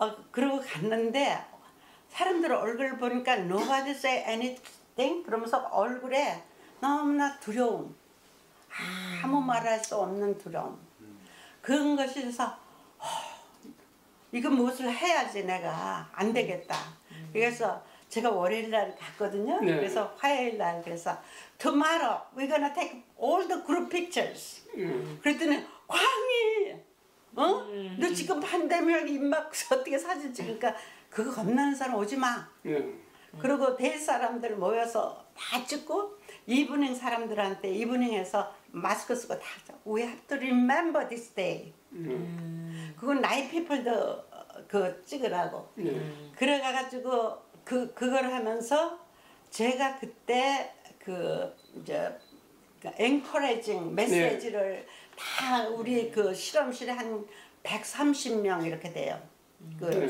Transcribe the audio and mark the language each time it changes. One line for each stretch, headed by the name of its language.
Korean: 그러고 갔는데 사람들 얼굴 보니까
English: nobody say anything
Korean: 그러면서 얼굴에 너무나 두려움, 아무 말할 수 없는 두려움. 그런 것이 돼서 이거 무엇을 해야지 내가 안 되겠다. 그래서 제가 월요일 날 갔거든요. 네. 그래서 화요일 날 그래서
English: tomorrow we gonna take all the group pictures.
Korean: 그랬더니 광희 어? 너 지금 팬데믹 입막 어떻게 사진 찍을까? 그거 겁나는 사람 오지 마. 그리고 될 사람들 모여서 다 찍고 이브닝 사람들한테 이브닝에서 마스크 쓰고 다 하죠.
English: We have to remember this day.
Korean: 그건
English: night people
Korean: 도 그 찍으라고. 그래가지고 그걸 하면서 제가 그때 그 이제 encouraging 메시지를 네. 다 우리 그 실험실에 한 130명 이렇게 돼요. 그 네.